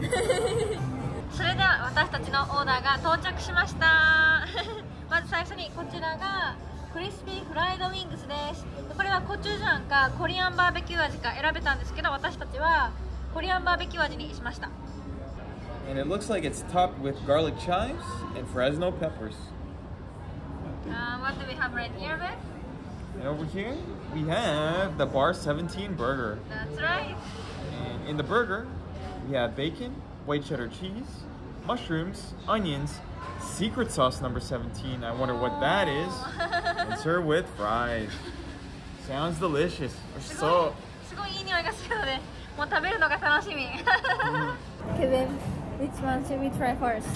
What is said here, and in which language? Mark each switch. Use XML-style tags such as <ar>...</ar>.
<ja>それでは私たちのオーダーが到着しました。まず最初にこちらがクリスピーフライドウィングスです。これはコチュジャンかコリアンバーベキュー味か選べたんですけど、私たちはコリアンバーベキュー味にしました。</ja> <en>And it looks like it's topped with garlic chives and Fresno peppers. What do we have right here, Beth? And over here we have the Bar 17 burger. That's right. And in the burger we have baconWhite cheddar cheese, mushrooms, onions, secret sauce number 17. I wonder what that is. And serve with fries. Sounds delicious.</en> <ja>すごい、すごいいい匂いがするので、もう食べるのが楽しみ。</ja> <en>Okay, babe, which one should we try first?</en>